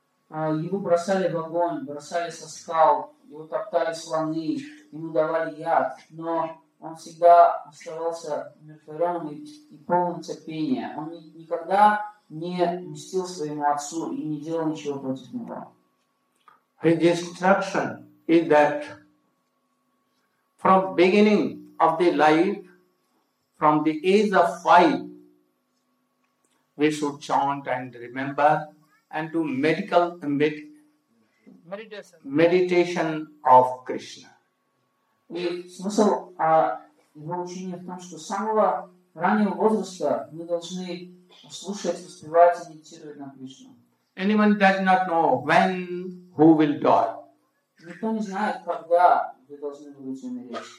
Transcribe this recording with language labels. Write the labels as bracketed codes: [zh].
[ru] Его бросали в огонь, бросали со скал, его топтали слоны, ему давали яд, но он всегда оставался умиротворённым и полным терпения. Он никогда не мстил своему отцу и не делал ничего против него. [en] His destruction is that from beginning of the life, from the age of 5, we should chant and remember and do meditation of Krishna. [ru] И смысл его учения в том, что с самого раннего возраста мы должны слушать, воспевать и медитировать на Кришну. [en] Anyone does not know when, who will die. [ru] Никто не знает, когда вы должны будете умереть.